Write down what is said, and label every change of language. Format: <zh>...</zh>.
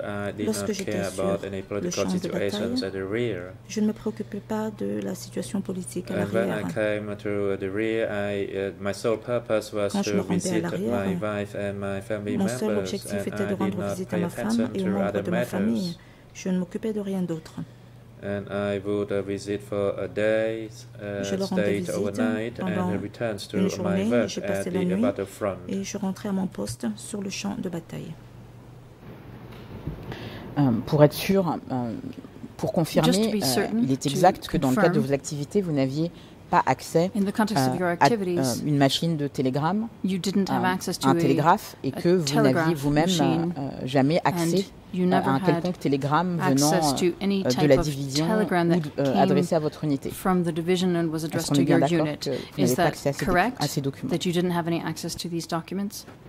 <en>I did not care about any political situations at the rear.</en> <fr>Je ne me préoccupais pas de la situation politique à l'arrière.</fr> <en>When I came to the rear, my sole purpose was</en> <fr>Quand</fr> <en>to visit my wife and my family members.</en> <fr>Mon seul objectif était de rendre visite à ma femme et aux membres de ma famille. Je ne m'occupais de rien d'autre.</fr> <en>And I would visit for a day, stayed overnight, and returned to my work at the battlefront.</en> <fr>Et je rentrais à mon poste sur le champ de bataille. Pour être sûr, pour confirmer, il est exact que dans le cadre de vos activités, vous n'aviez pas accès à une machine de télégramme, un télégraphe, et que vous n'aviez vous-même jamais accès à un quelconque télégramme venant de la division ou adressé à votre unité. Est-ce qu'on est bien d'accord que vous n'avez pas accès à ces documents?</fr> <en>That you didn't have any access to these documents?</en>